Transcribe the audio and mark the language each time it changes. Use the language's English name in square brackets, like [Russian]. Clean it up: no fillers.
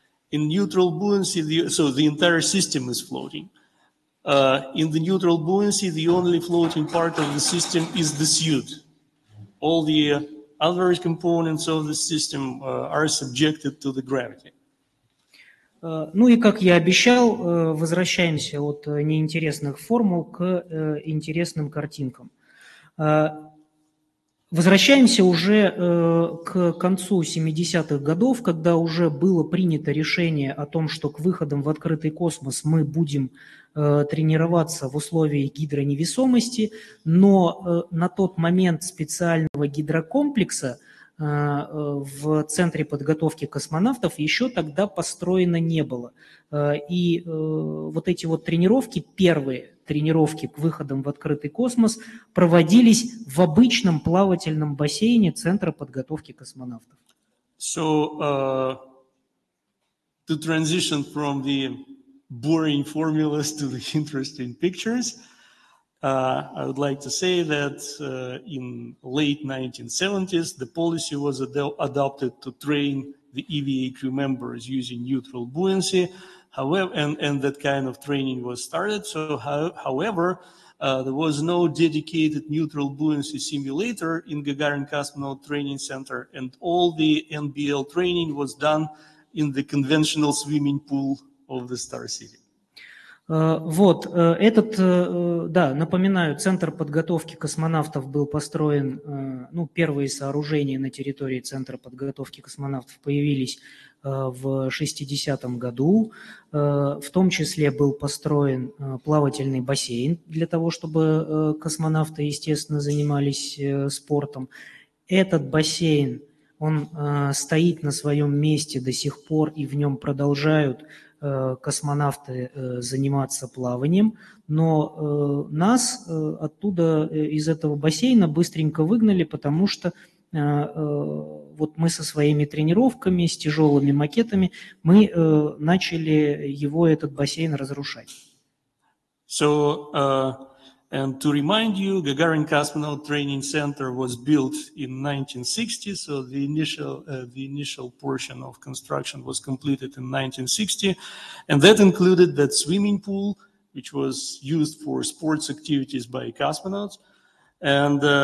[English] In neutral buoyancy, the entire system is floating. In the neutral buoyancy, the only floating part of the system is the suit. All the other components of the system are subjected to the gravity. [Russian] Ну и, как я обещал, возвращаемся от неинтересных формул к интересным картинкам. Возвращаемся уже к концу 70-х годов, когда уже было принято решение о том, что к выходам в открытый космос мы будем тренироваться в условиях гидроневесомости, но на тот момент специального гидрокомплекса в центре подготовки космонавтов еще тогда построено не было. И вот эти вот тренировки, первые тренировки к выходам в открытый космос, проводились в обычном плавательном бассейне центра подготовки космонавтов. [English] So, to transition from the boring formulas to the interesting pictures, I would like to say that in late 1970s, the policy was adopted to train the EVA crew members using neutral buoyancy. However, and that kind of training was started. So, however, there was no dedicated neutral buoyancy simulator in Gagarin Cosmonaut Training Center, and all the NBL training was done in the conventional swimming pool of the Star City. [Russian] Вот, этот, да, напоминаю, центр подготовки космонавтов был построен, ну, первые сооружения на территории центра подготовки космонавтов появились в 60-м году, в том числе был построен плавательный бассейн для того, чтобы космонавты, естественно, занимались спортом. Этот бассейн, он стоит на своем месте до сих пор, и в нем продолжают космонавты заниматься плаванием, но нас оттуда, из этого бассейна, быстренько выгнали, потому что вот мы со своими тренировками, с тяжелыми макетами, мы начали его, этот бассейн, разрушать. [English] So, and to remind you, Gagarin Cosmonaut Training Center was built in 1960, so the initial portion of construction was completed in 1960, and that included that swimming pool, which was used for sports activities by cosmonauts, and